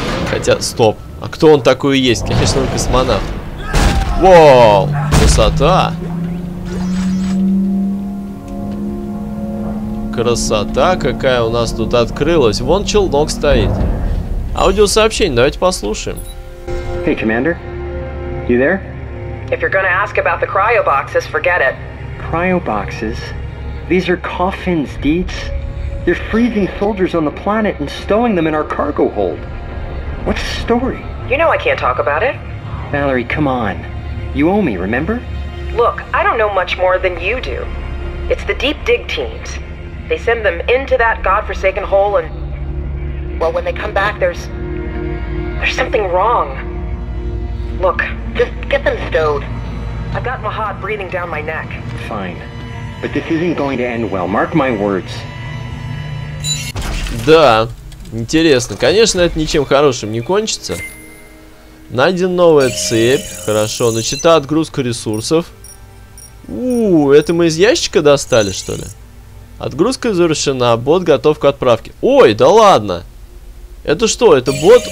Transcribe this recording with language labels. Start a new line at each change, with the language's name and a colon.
Russian: Хотя, стоп. А кто он такой и есть? Конечно, он космонавт. Вау, красота. Красота какая у нас тут открылась. Вон челнок стоит. Аудиосообщение, давайте послушаем.
English: Hey, Commander. You there? If you're gonna ask about the cryo boxes, forget it. Cryo boxes? These are coffins, Deets. They're freezing soldiers on the planet and stowing them in our cargo hold. What's the story? You know I can't talk about it. Valerie, come on. You owe me, remember? Look, I don't know much more than you do. It's the deep dig teams. They send them into that godforsaken hole and... Well, when they come back, there's something wrong. Look, just get them stowed. I've got Mahad breathing down my neck. Fine. But this isn't going to end well. Mark my words.
Russian: Да, интересно. Конечно, это ничем хорошим не кончится. Найдена новая цепь. Хорошо, начата отгрузка ресурсов. Ууу, это мы из ящика достали, что ли? Отгрузка завершена, бот готов к отправке. Ой, да ладно. Это что, это бот?